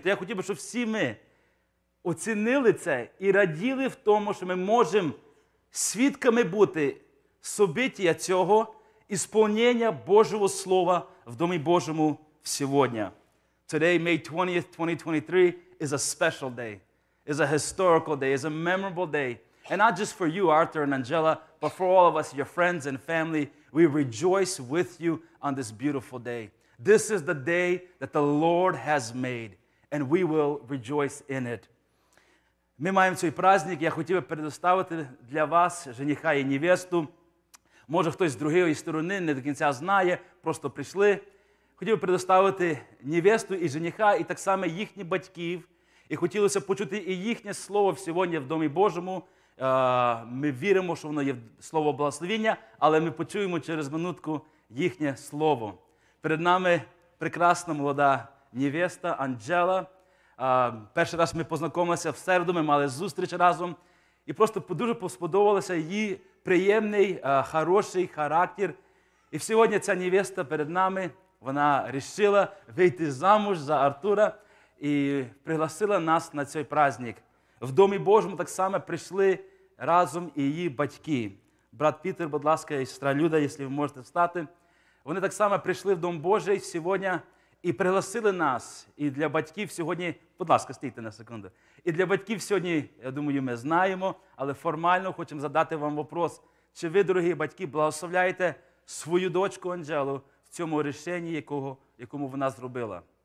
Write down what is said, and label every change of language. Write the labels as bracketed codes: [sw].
[uk] То я хотів би, щоб всі ми оцінили це і раділи в тому, що ми можемо свідками бути собиття цього і сповнення Божого Слова в Домі Божому сьогодні. [en] Today, May 20th, 2023, is a special day. It's a historical day, it's a memorable day. And not just for you, Arthur and Angela, but for all of us, your friends and family, we rejoice with you on this beautiful day. This is the day that the Lord has made, and we will rejoice in it. [uk] Ми маємо цей праздник, я хотів би предоставити для вас жениха і невесту. Може, хтось з другої сторони не до кінця знає, просто прийшли. Хотів би предоставити невесту і жениха, і так само їхніх батьків, і хотілося почути і їхнє слово сьогодні в Домі Божому. Ми віримо, що воно є слово благословення, але ми почуємо через минутку їхнє слово. Перед нами прекрасна молода невеста Анджела. Перший раз ми познайомилися в середу, ми мали зустріч разом. І просто дуже сподобався її приємний, хороший характер. [ru] И сегодня эта невеста перед нами, она решила выйти замуж за Артура и пригласила нас на этот праздник. В Доме Божьем так само пришли разом и ее батьки. Брат Питер, [uk] будь ласка, [ru] и сестра Люда, если вы можете встать. Они так само пришли в Дом Божий сегодня и пригласили нас. [uk] И для батьків сьогодні, будь ласка, стійте на секунду. І для батьків сьогодні, я думаю, ми знаємо, але формально хочемо задати вам вопрос. Чи ви, дорогі батьки, благословляєте свою дочку Анджелу в цьому рішенні, якому вона зробила?